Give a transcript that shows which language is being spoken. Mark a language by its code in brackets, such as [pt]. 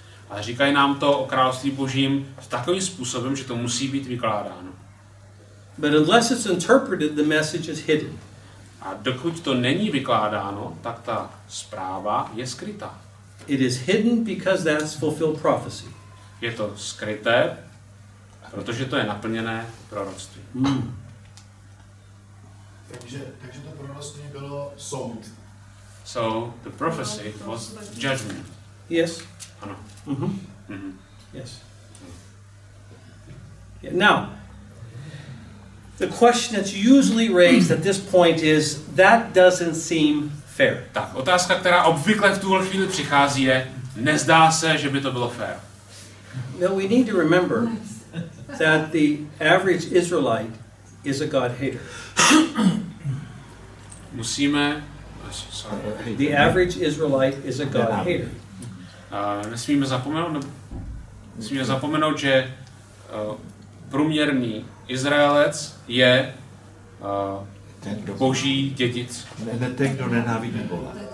[cs] A říkají nám to o království Božím v takovým způsobem, že to musí být vykládáno. [en] But unless it's interpreted, the message is hidden. [cs] A dokud to není vykládáno, tak ta zpráva je skrytá. [en] It is hidden because that's fulfilled prophecy. [cs] Je to skryté, protože to je naplněné proroctví. Takže to proroctví bylo soud. [en] So the prophecy was judgment. Yes. [cs] Ano. [en] Yes. Yeah, now, the question that's usually raised at this point is that doesn't seem fair. [cs] Tak otázka, která obvykle v tuhle chvíli přichází, je, nezdá se, že by to bylo fair. [en] Now we need to remember that the average Israelite is a God hater. [cs] Musíme. [en] The average Israelite is a God hater. [cs] Nesmíme zapomenout, že průměrný Izraelec je boží dědic. Ne ten, kdo nenávidí Boha.